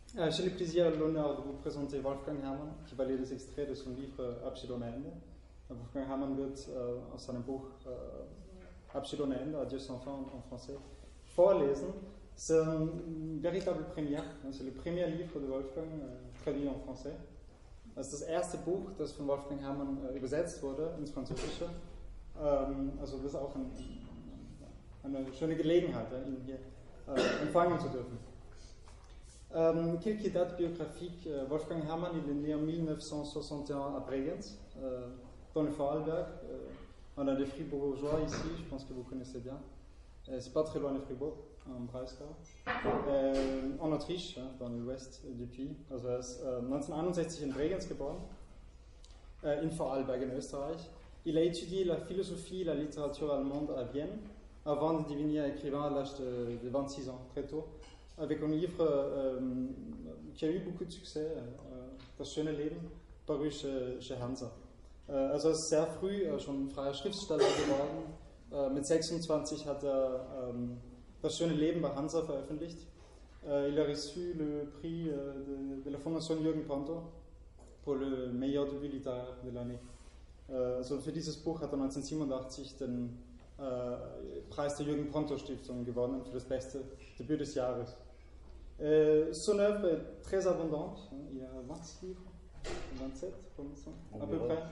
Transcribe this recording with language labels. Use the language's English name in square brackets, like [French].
[French] chaque plaisir et l'honneur de vous présenter Wolfgang Herrmann, qui va lire des extraits de son livre Abschied ohne Ende. [German] Wolfgang Herrmann wird aus seinem Buch Abschied ohne Ende, [French] Adieu sans fin en français, [German] vorlesen. [French] C'est une véritable première, c'est le premier livre de Wolfgang, traduit en français. C'est le premier [German] Buch, das von Wolfgang Herrmann übersetzt wurde ins Französische. Also, das ist auch eine schöne Gelegenheit, ihn hier empfangen zu dürfen. [French] Quelques dates biographiques. Wolfgang Herrmann, il est né en 1961 à Bregenz, dans le Vorarlberg. On a des Fribourgeois ici, je pense que vous connaissez bien. C'est pas très loin de Fribourg, en Breisgau. En Autriche, dans l'Ouest depuis. [German] Also, er ist 1961 in Bregenz geboren, in Vorarlberg, in Österreich. [French] Il a étudié la philosophie et la littérature allemande à Vienne, avant de devenir écrivain à l'âge de 26 ans, très tôt. Avec un livre qui a eu beaucoup de succès, Das schöne Leben, paru chez Hansa. [German] Also ist sehr früh schon freier Schriftsteller geworden. Mit 26 hat er Das schöne Leben bei Hansa veröffentlicht. [French] Il a reçu le prix de la Fondation Jürgen Pontor pour le meilleur début littéraire de l'année. [German] Also für dieses Buch hat er 1987 den Preis der Jürgen Pontor Stiftung gewonnen für das beste Debüt des Jahres. [French] Son œuvre est très abondante. Il y a 20 livres, 27, pour l'instant, à peu près.